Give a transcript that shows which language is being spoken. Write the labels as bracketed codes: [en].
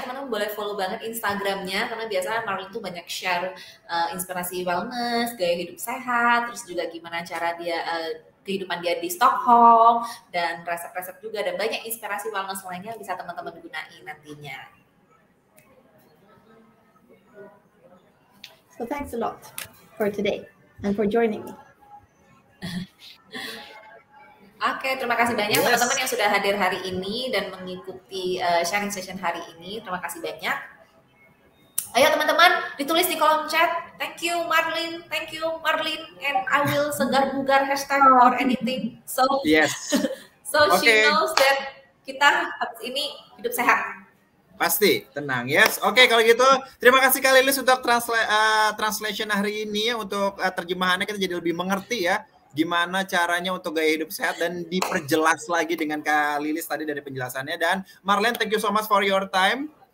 [id] Teman-teman boleh follow banget Instagram-nya, karena biasanya Marlin tuh banyak share inspirasi wellness, gaya hidup sehat, terus juga gimana cara dia kehidupan dia di Stockholm, dan resep-resep juga, dan banyak inspirasi wellness lainnya bisa teman-teman gunain nantinya. [en] So thanks a lot for today and for joining me. [id] Oke, terima kasih banyak yes. Teman-teman yang sudah hadir hari ini dan mengikuti sharing session hari ini. Terima kasih banyak. Ayo teman-teman, ditulis di kolom chat. [en] Thank you Marlin, and I will [id] segar bugar [en] hashtag or anything. So yes. So okay. She knows that [id] kita habis ini hidup sehat. Pasti, tenang, yes. Oke, okay, kalau gitu, terima kasih Kak Lilis untuk translation hari ini, untuk terjemahannya kita jadi lebih mengerti ya. Gimana caranya untuk gaya hidup sehat dan diperjelas lagi dengan Kak Lilis tadi dari penjelasannya. Dan Marlin, [en] thank you so much for your time.